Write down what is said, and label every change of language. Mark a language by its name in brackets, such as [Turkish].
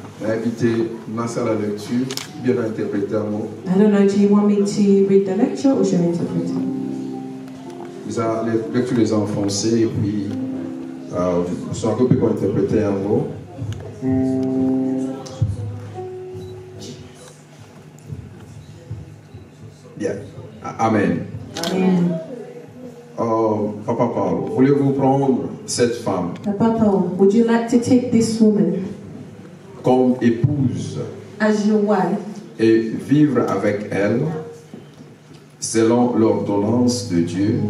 [French] Invité dans la salle de lecture, bien interprété un mot. [English] I don't know, do you want me to read the lecture or should I interpret it? [French] Vous allez lecture les en français et puis vous serez un peu plus pour interpréter un mot. Bien. Amen. Amen. Papa Paul, voulez-vous prendre cette femme? [English] Papa Paul, would you like to take this woman? [French] Comme épouse, [English] as your wife, [French] et vivre avec elle selon l'ordonnance de Dieu,